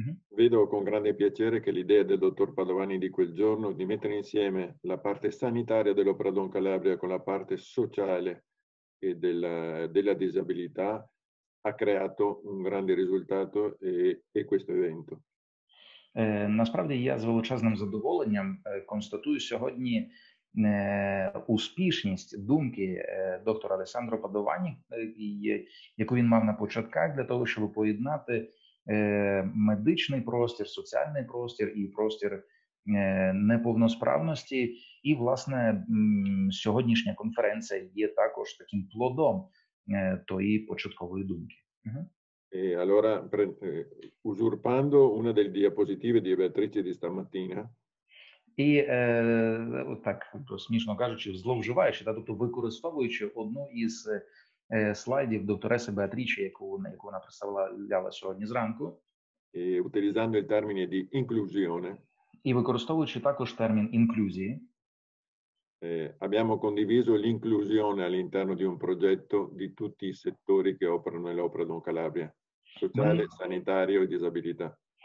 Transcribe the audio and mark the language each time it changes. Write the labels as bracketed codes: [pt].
[it] Vedo con grande piacere che l'idea del dottor Padovani di quel giorno di mettere insieme la parte sanitaria dell'opera Don Calabria con la parte sociale e della disabilità ha creato un grande risultato e questo evento. [uk] Насправді я з величезним задоволенням констатую сьогодні успішність думки доктора Алессандро Падовані, яку він мав на початках для того, щоб поєднати медичний простір, соціальний простір і простір неповносправності, і власне сьогоднішня конференція є також таким плодом тої початкової думки. [it] E allora, usurpando una delle diapositive di Beatrice di stamattina. [uk] І так, смішно кажучи, зловживаючи, тобто використовуючи одну із слайдів доктореси Беатриче, яку вона представляла сьогодні зранку. [it] E utilizzando il termine di inclusione. [uk] І використовуючи також термін інклюзії. [it] Abbiamo condiviso l'inclusione all'interno di un progetto di tutti i settori che operano nell'opera Don Calabria, sociale, sanitario e disabilità.